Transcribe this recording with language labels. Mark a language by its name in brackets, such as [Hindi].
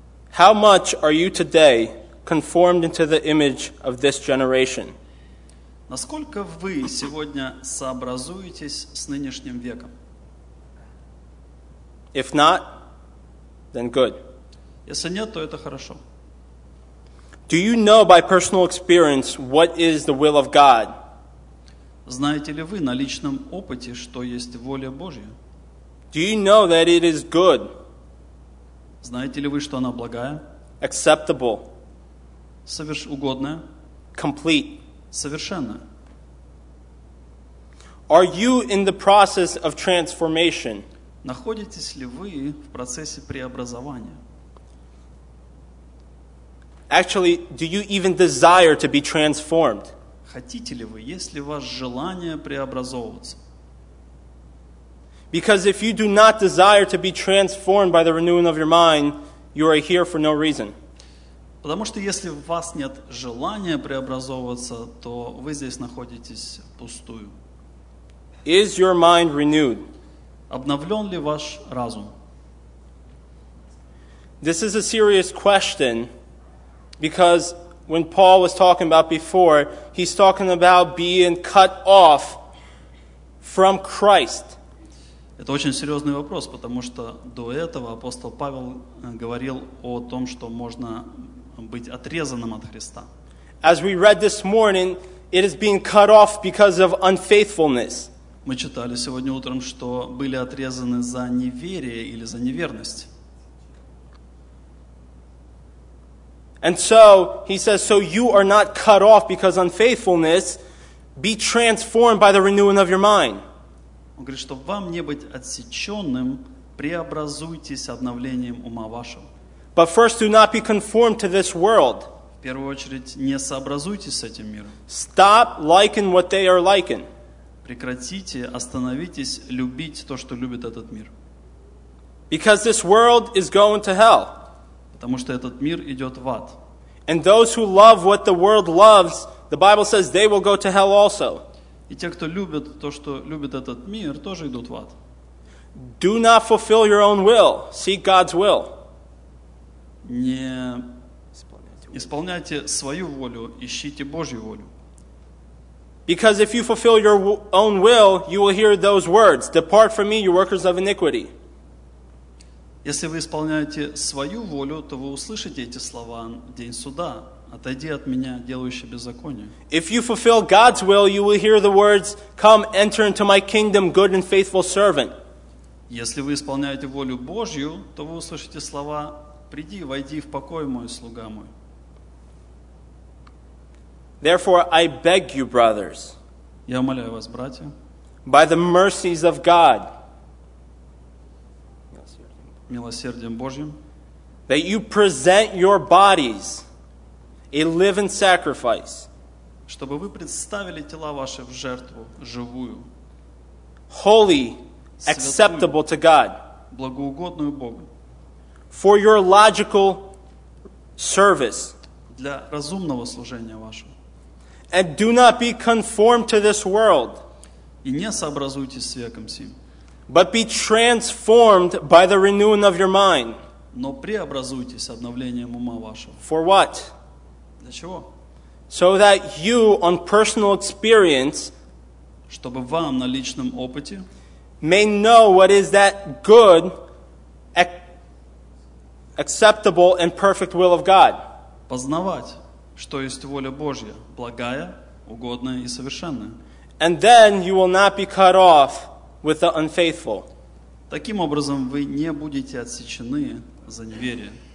[English] How much are you today conformed into the image of this generation? [Russian] Насколько вы сегодня сообразуетесь с нынешним веком? [English] If not, then good. [Russian] Если нет, то это хорошо. [English] Do you know by personal experience what is the will of God? [Russian] Знаете ли вы на личном опыте, что есть воля Божья? [English] Do you know that it is good? [Russian] Знаете ли вы, что она благая? [English] Acceptable. [Russian] Угодная. [English] Complete. [Russian] Совершенная. [English] Are you in the process of transformation? [Russian] Находитесь ли вы в процессе преобразования? [English] Actually, do you even desire to be transformed? [Russian] Хотите ли вы, есть ли у вас желание преобразовываться? [English] Because if you do not desire to be transformed by the renewing of your mind, you are here for no reason. [Russian] Потому что если у вас нет желания преобразовываться, то вы здесь находитесь впустую. [English] Is your mind renewed? [Russian] Обновлен ли ваш разум? [English] This is a serious question because when Paul was talking about before, he's talking about being cut off from Christ. [Russian] Это очень серьезный вопрос, потому что до этого апостол Павел говорил о том, что можно быть отрезанным от Христа. [English] As we read this morning, it is being cut off because of unfaithfulness. [Russian] Мы читали сегодня утром, что были отрезаны за неверие или за неверность. [English] And so, he says, so you are not cut off because unfaithfulness, be transformed by the renewing of your mind. [Russian] Он говорит, что вам не быть отсеченным, преобразуйтесь обновлением ума вашего. [English] But first, do not be conformed to this world. [Russian] В первую очередь, не сообразуйтесь с этим миром. [English] Stop liking what they are liking. [Russian] Прекратите, остановитесь любить то, что любит этот мир. [English] Because this world is going to hell. [Russian] Потому что этот мир идет в ад. [English] And those who love what the world loves, the Bible says they will go to hell also. [Russian] И те, кто любит то, что любит этот мир, тоже идут в ад. [English] Do not fulfill your own will. Seek God's will. [Russian] Не исполняйте свою волю, ищите Божью волю. [English] Because if you fulfill your own will, you will hear those words, "Depart from me, you workers of iniquity." [Russian] Если вы исполняете свою волю, то вы услышите эти слова день суда. Отойди от меня, делающий беззаконие. [English] If you fulfill God's will, you will hear the words, "Come, enter into my kingdom, good and faithful servant." [Russian] Если вы исполняете волю Божью, то вы услышите слова, "Приди, войди в покой мой, слуга мой." [English] Therefore, I beg you, brothers, [Russian] я умоляю вас, братья, [English] by the mercies of God, [Russian] милосердием Божьим, [English] that you present your bodies a living sacrifice, [Russian] чтобы вы представили тела ваши в жертву живую, [English] holy, acceptable to God, [Russian] благоугодную Богу, [English] for your logical service, [Russian] для разумного служения вашего, [English] and do not be conformed to this world, [Russian] и не сообразуйтесь с веком сим, [English] but be transformed by the renewing of your mind. [Russian] Но преобразуйтесь обновлением ума вашего. [English] For what? [Russian] Для чего? [English] So that you, on personal experience, [Russian] чтобы вам на личном опыте, [English] may know what is that good, acceptable and perfect will of God. [Russian] Познавать, что есть воля Божья, благая, угодная и совершенная. [English] And then you will not be cut off with the unfaithful. [Russian] Таким образом, вы не будете отсечены за неверие.